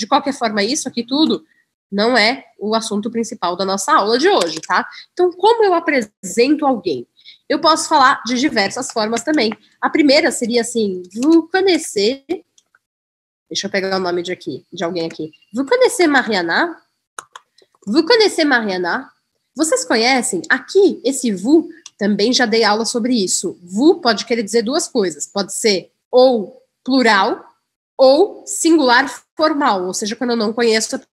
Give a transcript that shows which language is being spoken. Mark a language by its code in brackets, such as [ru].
[pt] De qualquer forma, isso aqui tudo não é o assunto principal da nossa aula de hoje, tá? Então, como eu apresento alguém? Eu posso falar de diversas formas também. A primeira seria assim, [fr] vous connaissez... [pt] Deixa eu pegar o nome de aqui, de alguém aqui. [fr] Vous connaissez Mariana? Vous connaissez Mariana? [pt] Vocês conhecem? Aqui, esse vous, também já dei aula sobre isso. Vous pode querer dizer duas coisas. Pode ser ou plural ou singular formal. Ou seja, quando eu não conheço...